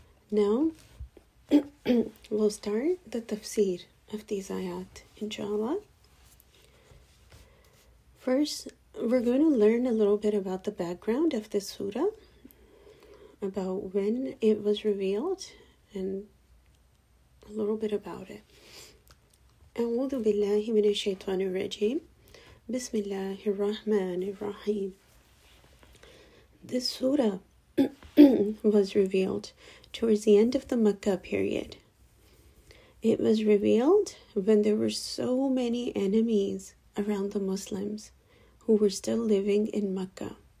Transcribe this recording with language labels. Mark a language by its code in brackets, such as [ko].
[en] Now, we'll start the tafsir of these ayat, inshallah. First, We're going to learn a little bit about the background of this surah, about when it was revealed, and a little bit about it. [ar] أعوذ بالله من الشيطان الرجيم. بسم الله الرحمن الرحيم. [en] This surah was revealed towards the end of the Makkah period. It was revealed when there were so many enemies around the Muslims who were still living in Mecca.